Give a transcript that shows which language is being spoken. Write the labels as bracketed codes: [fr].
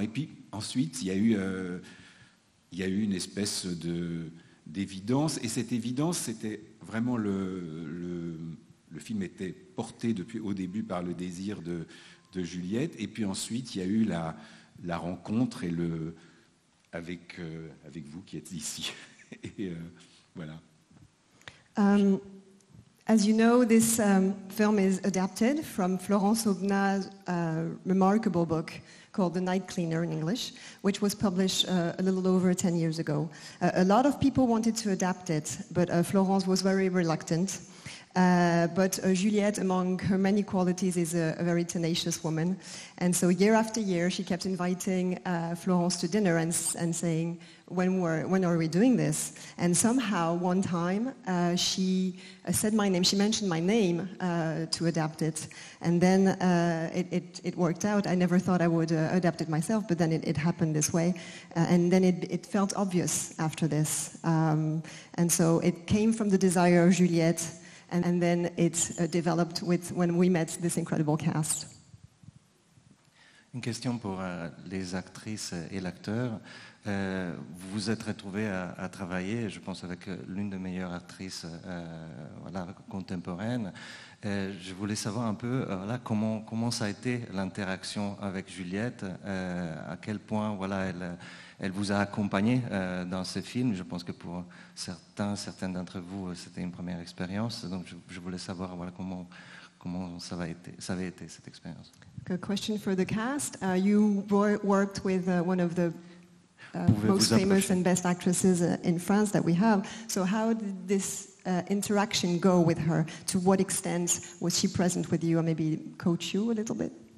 [fr] Et puis ensuite, il y a eu une espèce d'évidence, et cette évidence, c'était vraiment le film était porté depuis au début par le désir de Juliette, et puis ensuite, il y a eu la rencontre et avec vous qui êtes ici. Voilà. [en] As you know, this film is adapted from Florence Aubenas' remarkable book called The Night Cleaner in English, which was published a little over 10 years ago. A lot of people wanted to adapt it, but Florence was very reluctant. But Juliette, among her many qualities, is a very tenacious woman. And so year after year, she kept inviting Florence to dinner and saying, when are we doing this? And somehow, one time, she said my name. She mentioned my name to adapt it. And then it worked out. I never thought I would adapt it myself, but then it happened this way. And then it felt obvious after this. And so it came from the desire of Juliette. And then it developed with when we met this incredible cast. [fr] Une question pour les actrices et l'acteur. Vous vous êtes retrouvés à travailler, je pense, avec l'une des meilleures actrices contemporaines. Je voulais savoir un peu comment ça a été l'interaction avec Juliette, à quel point elle vous a accompagné dans ce film. Je pense que pour certains d'entre vous, c'était une première expérience. Donc je voulais savoir comment ça avait été cette expérience. [en] Good question for the cast. You worked with one of the most famous and best actresses in France that we have. So how did this interaction go with her? To what extent was she present with you, or maybe coach you a little bit?